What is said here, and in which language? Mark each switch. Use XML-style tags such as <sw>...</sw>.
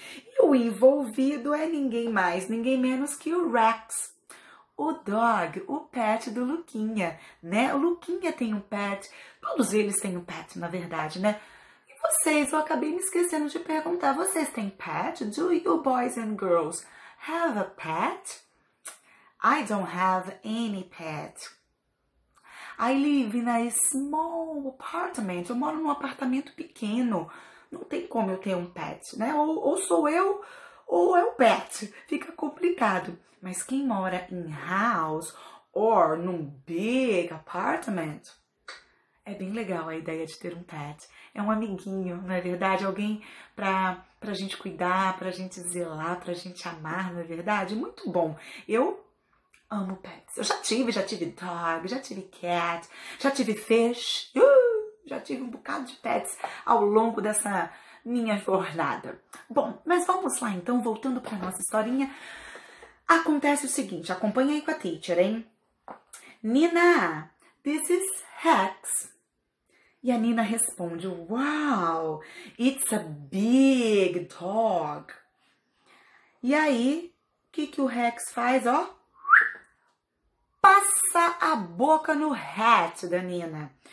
<pt>E o envolvido é ninguém mais, ninguém menos que o Rex, o dog, o pet do Luquinha, né? O Luquinha tem um pet, todos eles têm um pet, na verdade, né? E vocês, eu acabei me esquecendo de perguntar, vocês têm pet?</pt> <en>Do you boys and girls have a pet? I don't have any pet. I live in a small apartment.</en> <pt>Eu moro num apartamento pequeno. Não tem como eu ter um pet, né? Ou sou eu, ou é o pet. Fica complicado. Mas quem mora em</pt> <en>house or</en> <pt>num</pt> <en>big apartment,</en> <pt>é bem legal a ideia de ter um pet. É um amiguinho, não é verdade? Alguém pra gente cuidar, pra gente zelar, pra gente amar, não é verdade? Muito bom. Eu amo pets. Eu já tive dog, já tive cat, já tive fish, já tive um bocado de pets ao longo dessa minha jornada. Bom, mas vamos lá então, voltando para nossa historinha. Acontece o seguinte, acompanha aí com a teacher, hein?</pt> <en>Nina, this is Hex.</en> <pt>E a Nina responde:</pt> <en>Wow, it's a big dog.</en> <pt>E aí, o que o Rex faz? Ó, passa a boca no hat da Nina.</pt>